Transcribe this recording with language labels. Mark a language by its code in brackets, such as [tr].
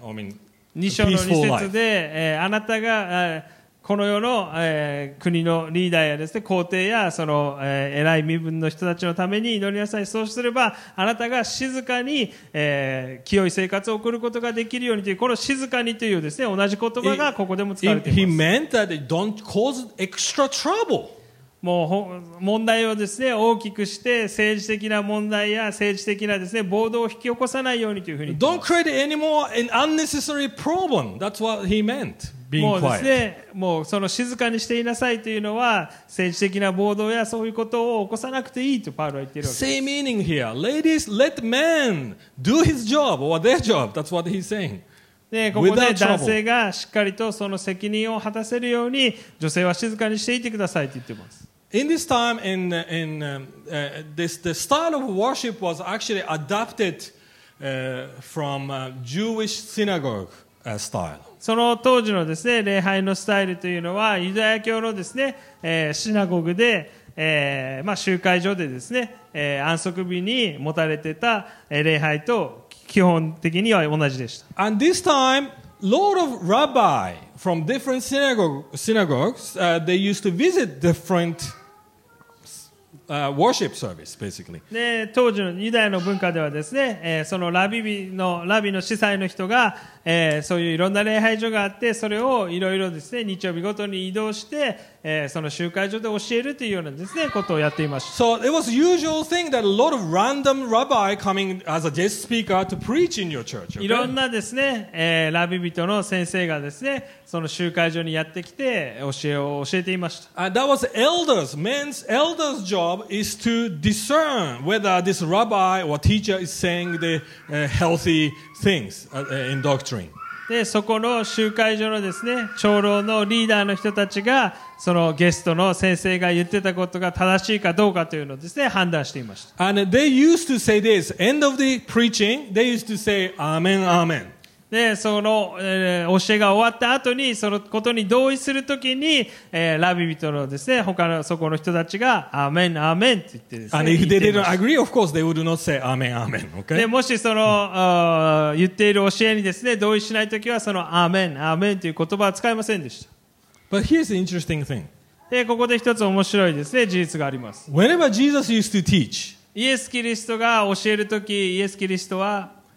[en] I mean, [ja] 2章の2節で、あなたがこの世の、国のリーダーやですね、皇帝やその、偉い身分の人たちのために祈りなさい。そうすればあなたが静かに、清い生活を送ることができるようにという、この静かにというですね、同じ言葉がここでも使われています。 [en] He meant that they don't cause extra trouble. [ja] もう問題をですね大きくして政治的な問題や政治的なですね暴動を引き起こさないようにというふうに。 [en] Don't create any more an unnecessary problem. That's what he meant. Being quiet. [ja] もうですね、もうその静かにしていなさいというのは政治的な暴動やそういうことを起こさなくていいとパウロは言っているわけです。 [en] Same meaning here. Ladies, let men do his job or their job. That's what he's saying. [ja] でここで男性がしっかりとその責任を果たせるように女性は静かにしていてくださいと言ってます。 [en] In this time, in this, the style of worship was actually adapted from Jewish synagogue style. [ja] その当時のですね礼拝のスタイルというのはユダヤ教のですね、シナゴグで、まあ集会所でですね、安息日に持たれてた礼拝と。基本的には同じでした。 [en] And this time, lot of rabbi from different synagogues, they used to visit different worship service, basically. [ja] で、当時のユダヤの文化ではですね、そのラビの司祭の人が、そういういろんな礼拝所があって、それをいろいろですね、日曜日ごとに移動して、その集会所で教えるというようなですね、ことをやっていました。 [en] So it was usual thing that a lot of random rabbi coming as a guest speaker to preach in your church. [ja] いろんなですね、ラビ人の先生がですね、その集会所にやってきて教えていました。 [en] That was elders. Men's elders job is to discern whether this rabbi or teacher is saying the healthy things in doctrine. [ja] でそこの集会所のですね長老のリーダーの人たちがそのゲストの先生が言ってたことが正しいかどうかというのをですね判断していました。 [en] And they used to say this end of the preaching they used to say amen amen [ja] でその、教えが終わった後にそのことに同意するときに、ラビ人のですね他のそこの人たちがアーメンアーメンって言ってですね。 [en] And if they didn't agree, of course they would not say アーメンアーメン、okay? [ja] でもしその言っている教えにですね同意しないときはそのアーメンアーメンという言葉は使いませんでした。 [en] But here's an interesting thing. [ja] でここで一つ面白いですね事実があります。 [en] Whenever Jesus used to teach, [ja] イエス・キリストが教えるときイエス・キリストは